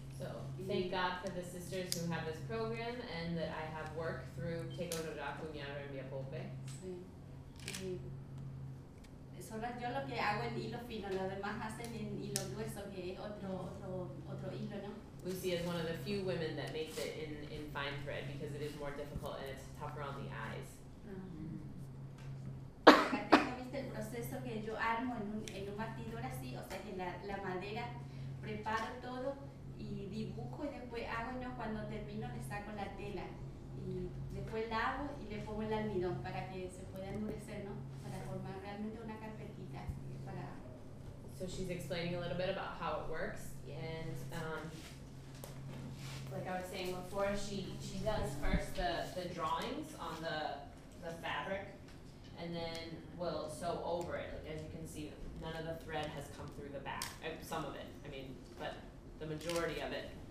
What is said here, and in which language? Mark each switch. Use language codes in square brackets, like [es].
[en] So, thank God for the sisters who have this program and that I have work through Tego Rodaku, Miara, and Miapope. [es] Solo yo lo que hago en hilo fino, lo demás hacen en hilo grueso, que es otro hilo, ¿no? [en] Lucy is one of the few women that makes it in fine thread because it is more difficult and it's tougher on the eyes. [es] Acá tengo, ¿viste? El proceso que yo armo en un batidor así, o sea, que la madera, preparo todo y dibujo y después hago, ¿no? Cuando termino le saco la tela y después lavo y le pongo el almidón para que se pueda endurecer, ¿no? Para formar realmente una carpetita. [en] So she's explaining a little bit about how it works and like I was saying before, she does first the drawings on the fabric and then will sew over it. Like as you can see, none of the thread has come through the back. Some of it, I mean, but the majority of it.